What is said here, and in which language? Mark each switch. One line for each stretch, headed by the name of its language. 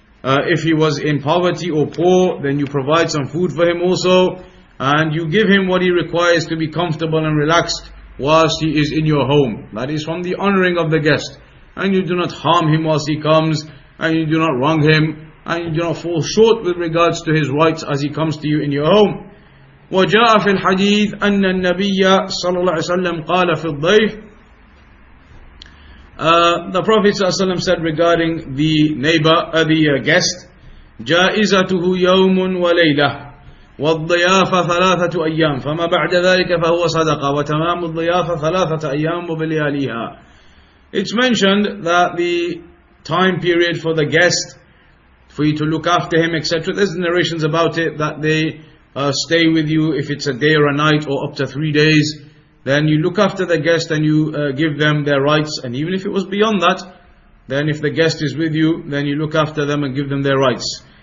English: If he was in poverty or poor, then you provide some food for him also, and you give him what he requires to be comfortable and relaxed whilst he is in your home. That is from the honoring of the guest. And you do not harm him whilst he comes, and you do not wrong him, and you do not fall short with regards to his rights as he comes to you in your home.
Arabic: وجاء في الحديث أن النبي صلى الله عليه وسلم قال في الضيف.
English: The Prophet
Arabic: صلى الله عليه وسلم
English: said regarding the neighbor, the guest,
Arabic: جائزته يوم وليلة والضيافة ثلاثة أيام فما بعد ذلك فهو صدقة وتمام الضيافة ثلاثة أيام وبلياليها.
English: It's mentioned that the time period for the guest, for you to look after him, etc. There's narrations about it that they stay with you if it's a day or a night or up to 3 days. Then you look after the guest and you give them their rights. And even if it was beyond that, then if the guest is with you, then you look after them and give them their rights.